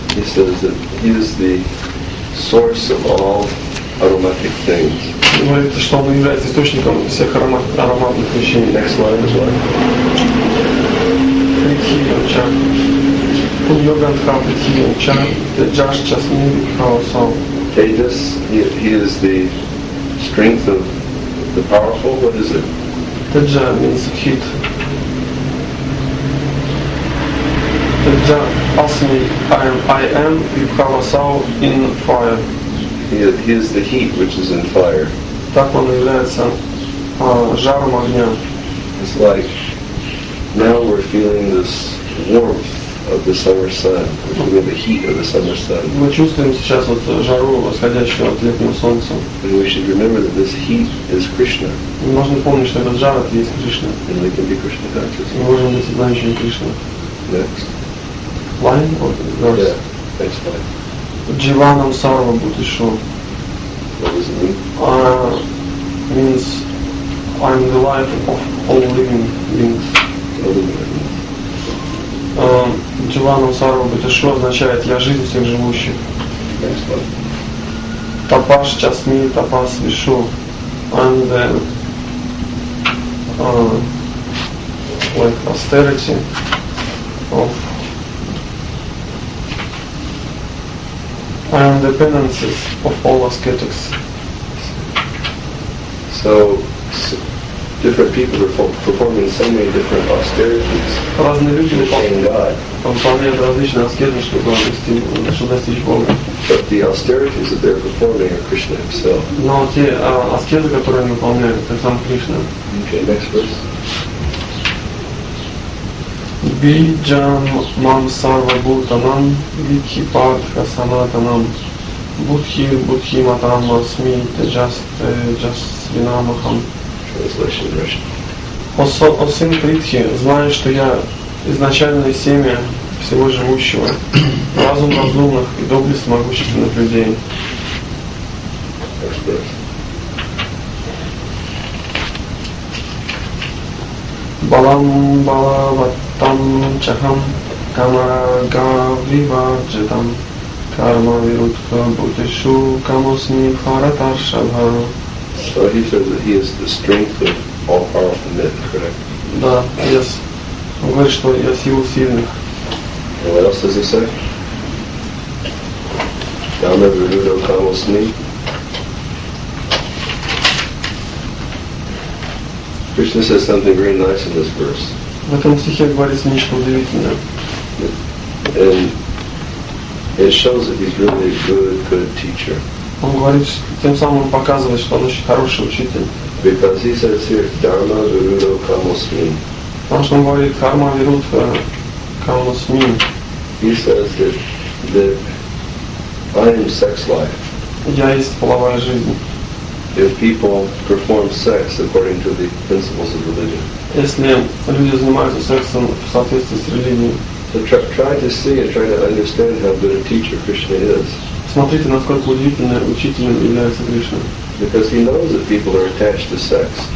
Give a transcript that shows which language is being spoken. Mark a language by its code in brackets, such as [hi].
[en] He says that he is the source of all aromatic things. [ru] Говорит, что он является источником всех ароматных вещей. [en] Next line is what? [sa] Притхиоча. Пуньогандха притхиоча. Теджаш часни хаосау. [en] Tejas, he is the strength of the powerful. What is it? Teja means heat. [sa] Teja asmi, [en] I am, [sa] yukhavasau [en] in fire. He is the heat which is in fire. [ru] Так он является жаром огня. [en] It's like now we're feeling this warmth of the summer sun. We're the heat of the summer sun. [ru] Мы чувствуем сейчас вот жару восходящего от летнего солнца. [en] And we should remember that this heat is Krishna. [ru] Можно помнить, что этот жар это есть Кришна. [en] And we can be Krishna conscious. [ru] Мы можем быть знающими Кришна. [en] Next. Line or verse? Yeah. Next line. [sa] Дживанам сарва бутишо. [en] What does it mean? Means I'm the life of all living beings. [sa] Дживанам сарва бутишо [ru] означает я жизнь всех живущих. [en] Next one. [sa] Тапаш часми тапас вишо. [en] I'm the like austerity of I am the penances of all ascetics. So different people are performing so many different austerities. [ru] Разные люди выполняют различные аскезы, чтобы достичь Бога. [en] But the austerities that they're performing are Krishna himself. [ru] Но те аскезы, которые они выполняют, это сам Кришна. [en] Okay, next verse. [sa] Биджам мам сарва бутанам вики партха санатанам будхи будхи матам масми теджас винамахам. [en] Translation in Russian. [ru] О сын Притхи, знаю, что я изначальное семя всего живущего, разум разумных и доблесть могущественных людей. [sa] Балам балават там чахам камарагавриваджитам карма вирутха бутишу камусни харатаршава. [en] So he says that he is the strength of all powerful men, correct? [ru] Да, [en] yes. [ru] Он говорит, что я силу сильных. [en] And what else does he say? [sa] Кама вирутха камусни. [en] Krishna says something very nice in this verse. [ru] В этом стихе говорится нечто удивительное. [en] And it shows that he's really a good teacher. [ru] Он говорит, тем самым он показывает, что он очень хороший учитель. [en] Because he says here, [sa] dharma virudha kamosmi. [ru] Потому что он говорит, [sa] карма вирудха камосми. [en] He says that I am sex life. [ru] Я есть половая жизнь. [en] If people perform sex according to the principles of religion. [ru] Если люди занимаются сексом в соответствии с религией. [en] So try to see and try to understand how good a teacher Krishna is. [ru] Смотрите, насколько удивительным учителем является Кришна. [en] Because he knows that people are attached to sex.